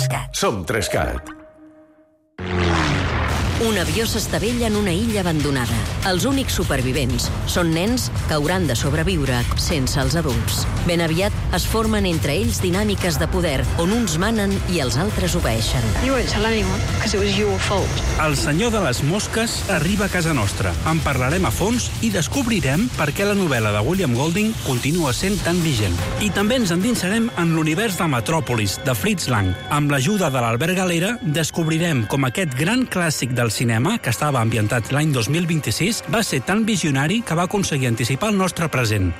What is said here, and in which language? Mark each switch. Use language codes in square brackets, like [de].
[ca] Som 3CAT. Un avió s'estavella en una illa abandonada. Els únics supervivents són nens que hauran de sobreviure sense els adults. Ben aviat es formen entre ells dinàmiques de poder on uns manen i els altres obeeixen. [en] You won't tell anyone, 'cause it was your fault. [ca] El senyor de les mosques arriba a casa nostra. En parlarem a fons i descobrirem per què la novel·la de William Golding continua sent tan vigent. I també ens endinsarem en l'univers de Metrópolis, de Fritz Lang. Amb l'ajuda de l'Albert Galera, descobrirem com aquest gran clàssic del cinema, que estava ambientat l'any 2026, va ser tan visionari que va aconseguir anticipar el nostre present.